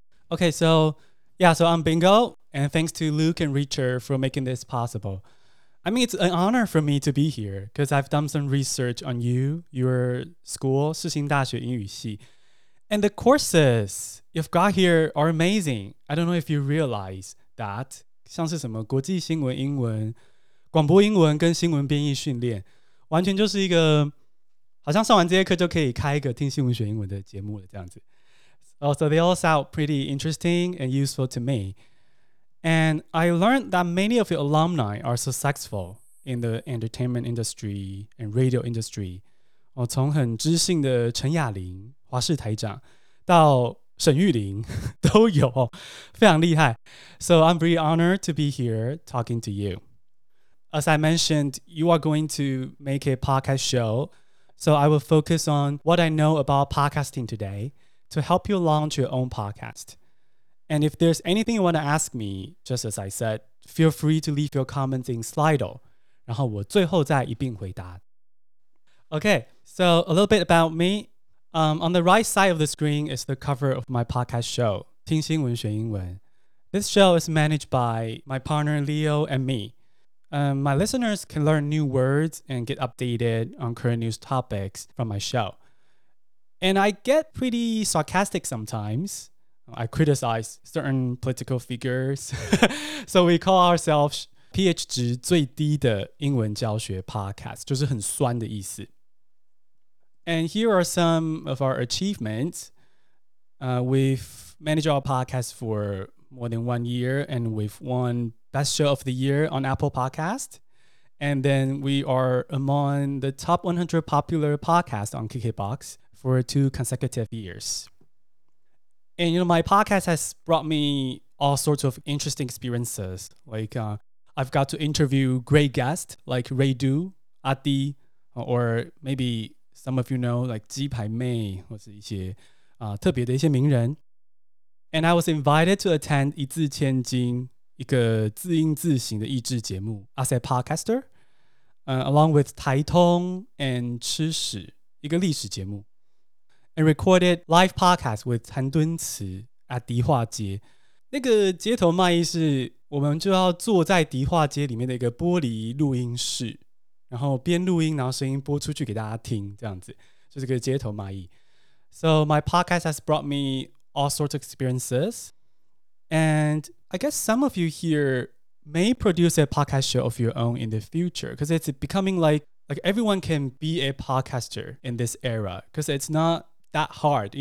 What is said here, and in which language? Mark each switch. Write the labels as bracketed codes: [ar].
[en] Okay, so yeah, so I'm Bingo, and thanks to Luke and Richard for making this possible. I mean, it's an honor for me to be here because I've done some research on you, your school, 世新大学英语系, and the courses you've got here are amazing. I don't know if you realize that, [zh] 像是什么国际新闻英文。广播英文跟新闻编译训练，完全就是一个好像上完这些课就可以开一个听新闻学英文的节目了这样子。 [en] So they all sound pretty interesting and useful to me. And I learned that many of your alumni are successful in the entertainment industry and radio industry. [zh] 从很知性的陈雅玲华视台长到沈玉玲都有，非常厉害。 [en] So I'm very honored to be here talking to you. As I mentioned, you are going to make a podcast show, so I will focus on what I know about podcasting today to help you launch your own podcast. And if there's anything you want to ask me, just as I said, feel free to leave your comments in Slido, [zh] 然后我最后再一并回答。 [en] Okay, so a little bit about me. On the right side of the screen is the cover of my podcast show, 听新闻学英文。 This show is managed by my partner Leo and me. My listeners can learn new words and get updated on current news topics from my show. And I get pretty sarcastic sometimes. I criticize certain political figures. So we call ourselves pH [zh] 值最低的英文教学 podcast, 就是很酸的意思。 [en] And here are some of our achievements. We've managed our podcast for more than 1 year, and we've wonBest show of the year on Apple Podcast. And then we are among the top 100 popular podcasts on KKBOX for 2 consecutive years. And you know, my podcast has brought me all sorts of interesting experiences. Like I've got to interview great guests like Ray Du, Adi, or maybe some of you know, like 鸡排妹 [zh] 或是一些特别的一些名人。 [en] And I was invited to attend [zh] 一字千金一个自音自行的益智节目 [en] As a Podcaster along with 台通 and 吃屎 [zh] 一个历史节目 [en] and recorded live podcast with 韩敦慈 at 迪化街。 [zh] 那个街头卖艺是我们就要坐在迪化街里面的一个玻璃录音室，然后边录音然后声音播出去给大家听，这样子就是个街头卖艺。 [en] So my podcast has brought me all sorts of experiencesAnd I guess some of you here may produce a podcast show of your own in the future, because it's becoming like everyone can be a podcaster in this era, because it's not that hard.